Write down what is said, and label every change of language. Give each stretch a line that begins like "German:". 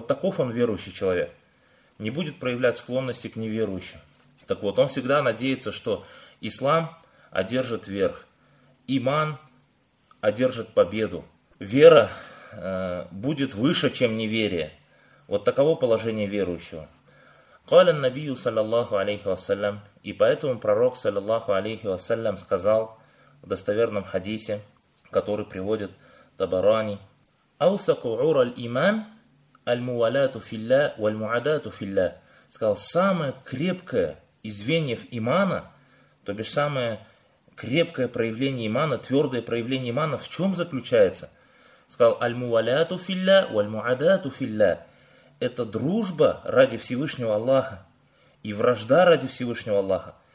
Russian: Вот таков он верующий человек. Не будет проявлять склонности к неверующим. Так вот, он всегда надеется, что ислам одержит верх. Иман одержит победу. Вера будет выше, чем неверие. Вот таково положение верующего.
Arabic: قال النبي صلى الله عليه وسلم.
Russian: И поэтому пророк صلى الله عليه وسلم сказал в достоверном хадисе, который приводит Табарани:
Arabic: أوثقوا عور الإيمان الموالاة في الله
Russian: والمعاداة في الله. Сказал, самое крепкое из звеньев имана, то бишь самое крепкое проявление имана, твердое проявление имана, в чем заключается? Сказал, «Аль-муаляту филля, валь-муадату филля». Это дружба ради Всевышнего Аллаха и вражда ради Всевышнего Аллаха.